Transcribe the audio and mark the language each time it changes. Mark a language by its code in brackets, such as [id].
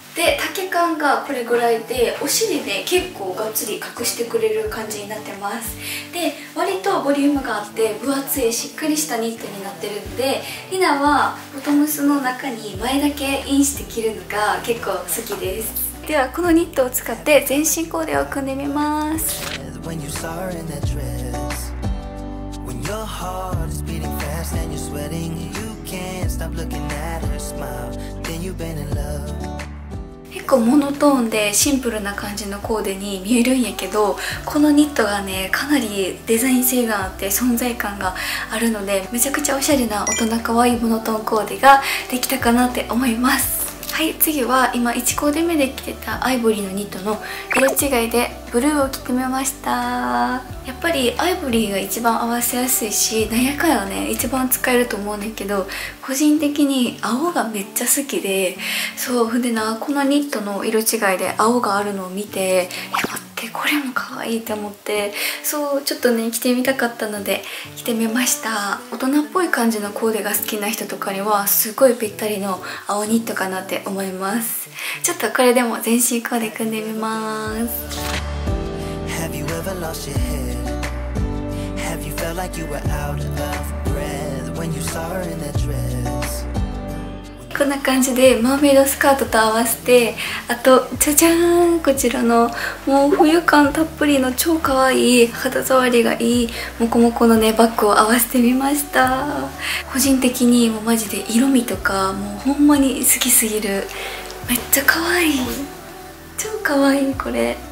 [ja] で丈感がこれぐらいで、お尻ね結構がっつり隠してくれる感じになってます。で割とボリュームがあって分厚いしっかりしたニットになってるので、リナはボトムスの中に前だけインして着るのが結構好きです。ではこのニットを使って全身コーデを組んでみます。 [en] When you start in that dress, when your heart is beating fast and you're sweating, you can't stop looking at her smile. Then you've been in love. [ja] 結構モノトーンでシンプルな感じのコーデに見えるんやけど、このニットがねかなりデザイン性があって存在感があるので、めちゃくちゃおしゃれな大人かわいいモノトーンコーデができたかなって思います。はい、次は今1コーデ目で着てたアイボリーのニットの色違いでブルーを着てみました。やっぱりアイボリーが一番合わせやすいし、なんやかんやね一番使えると思うねんけど、個人的に青がめっちゃ好きで、そうふでな、このニットの色違いで青があるのを見て、待ってこれも可愛いと思って、そうちょっとね着てみたかったので着てみました。大人っぽい感じのコーデが好きな人とかにはすごいぴったりの青ニットかなって思います。ちょっとこれでも全身コーデ組んでみます。 [en] Have you ever lost your head? Have you felt like you were out of breath when you saw her in that dress? [ja] こんな感じでマーメイドスカートと合わせて、あとじゃじゃーん、こちらのもう冬感たっぷりの超可愛い肌触りがいいモコモコのねバッグを合わせてみました。個人的にもうマジで色味とかもうほんまに好きすぎる、めっちゃ可愛い、超可愛いこれ。